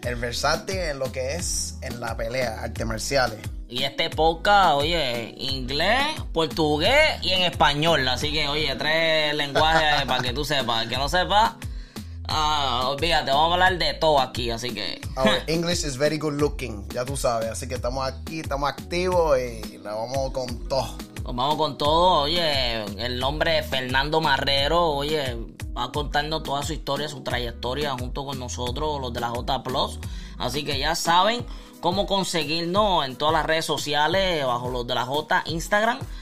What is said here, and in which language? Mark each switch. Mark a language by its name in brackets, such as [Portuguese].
[Spanish] El versátil en lo que es en la pelea, artes marciales. Y este podcast, oye, inglés, portugués y en español. Así que, oye, tres lenguajes para que tú sepas. El que no sepa, olvídate, vamos a hablar de todo aquí, así que... [English] Our English is very good looking, [Spanish] ya tú sabes. Así que estamos aquí, estamos activos y le vamos con todo. Pues vamos con todo, oye, el nombre de Fernando Marrero, oye, va contando toda su historia, su trayectoria junto con nosotros, los de la J Plus. Así que ya saben cómo conseguirnos en todas las redes sociales, bajo los de la J Instagram.